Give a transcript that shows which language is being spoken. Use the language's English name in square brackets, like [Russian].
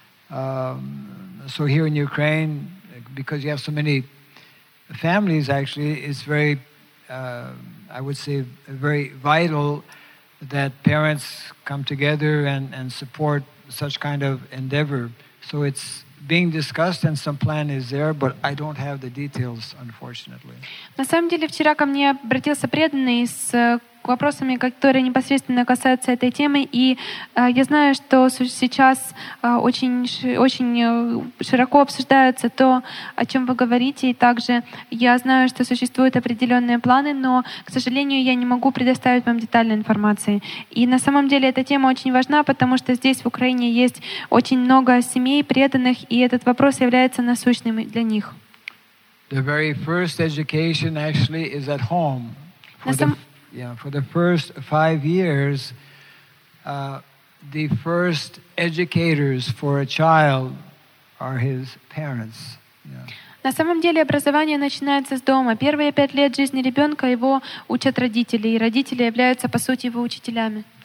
[English] So here in Ukraine, because you have so many families, actually, it's very, I would say, very vital that parents come together and support such kind of endeavor. So it's being discussed and some plan is there, but I don't have the details, unfortunately. [Russian] На самом деле, вчера ко мне обратился преданный с вопросами, которые непосредственно касаются этой темы, и я знаю, что сейчас очень широко обсуждается то, о чем вы говорите, и также я знаю, что существуют определенные планы, но, к сожалению, я не могу предоставить вам детальной информации. И на самом деле эта тема очень важна, потому что здесь, в Украине, есть очень много семей преданных, и этот вопрос является насущным для них. [English] The very first education actually is at home. For the first 5 years, the first educators for a child are his parents. [Russian] На самом деле образование начинается с дома. Первые 5 лет жизни ребенка его учат родители, и родители являются по сути его учителями.